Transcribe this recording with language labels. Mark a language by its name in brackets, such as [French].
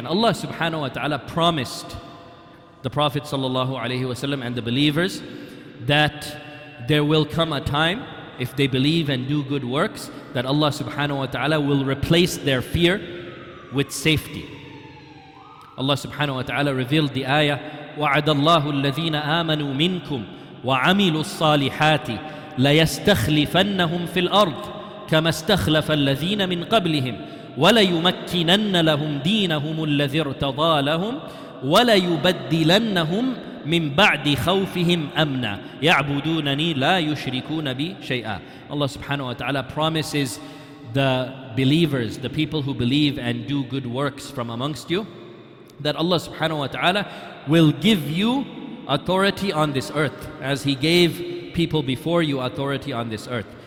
[English] And Allah subhanahu wa ta'ala promised the Prophet sallallahu alayhi wasallam and the believers that there will come a time, if they believe and do good works, that Allah subhanahu wa ta'ala will replace their fear with safety. Allah subhanahu wa ta'ala revealed the ayah, [Arabic] وَعَدَ اللَّهُ الَّذِينَ آمَنُوا مِنْكُمْ وَعَمِلُوا الصَّالِحَاتِ لَيَسْتَخْلِفَنَّهُمْ فِي الْأَرْضِ كما استخلف الذين من قبلهم وليمكنن لهم دينهم الذي ارتضى لهم وليبدلنهم من بعد خوفهم أمنا يعبدونني لا يشركون بي شيئا. [English] Allah subhanahu wa ta'ala promises the believers, the people who believe and do good works from amongst you, that Allah subhanahu wa ta'ala will give you authority on this earth as He gave people before you authority on this earth.